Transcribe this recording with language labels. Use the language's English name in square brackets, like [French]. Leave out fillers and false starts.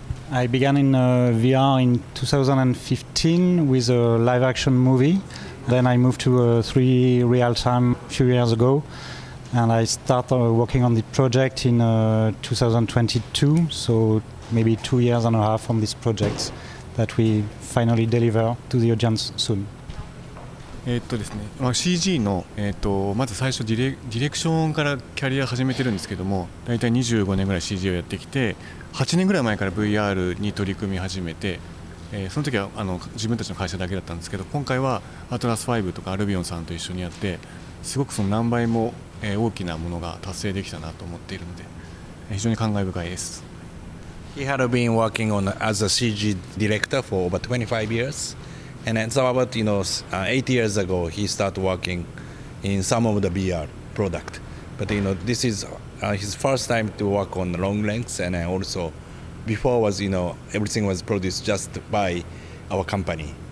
[English] I began in VR in 2015 with a live-action movie. Then I moved to 3D real-time a few years ago, and I started working on the project in 2022, so maybe 2 years and a half on this project that we finally deliver to the audience soon. [Japanese] ですね、CG の、まず最初ディレクションからキャリア始めてるんですけども、大体25年ぐらい CG をやってきて、8年ぐらい前から VR に取り組み始めて、その時は自分たちの会社だけだったんですけど、今回はアトラス5とかアルビオンさんと一緒にやって、すごくその何倍も、大きなものが達成できたなと思っているので、非常に感慨深いです。 [English] He had been working on as a CG director for over 25 years, and then so about 8 years ago he started working in some of the VR product. But this is his first time to work on long lengths, and then also before was everything was produced just by our company.